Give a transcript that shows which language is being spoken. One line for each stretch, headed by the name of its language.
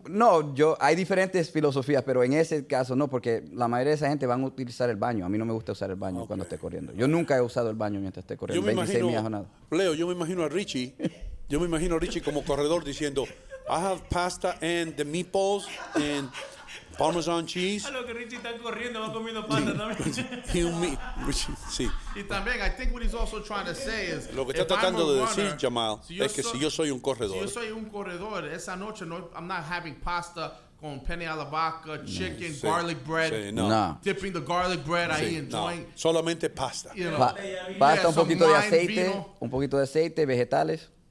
Spanish: No, yo hay diferentes filosofías, pero en ese caso no, porque la mayoría de esa gente van a utilizar el baño. A mí no me gusta usar el baño cuando esté corriendo. Yo nunca he usado el baño mientras esté corriendo. Yo me 26 imagino, millas o nada. Leo, yo me imagino a Richie. Yo me imagino a Richie como corredor diciendo,
English: I have pasta and the meatballs and Parmesan cheese.
Spanish: A lo que Richie está corriendo, va comiendo pasta también. Sí.
English: Y también, I think what he's also trying to say is,
Spanish: lo que está tratando de decir, Jamal, es que si yo soy un corredor. Si yo soy un corredor, esa noche no,
English: I'm not having pasta
Spanish: con penne alla vodka, chicken, sí, garlic bread. Sí, no.
English: Dipping the garlic bread, sí, ahí enjoying.
Spanish: No. Solamente pasta. You know, pasta, un poquito de aceite, vino. Un poquito de aceite, vegetales.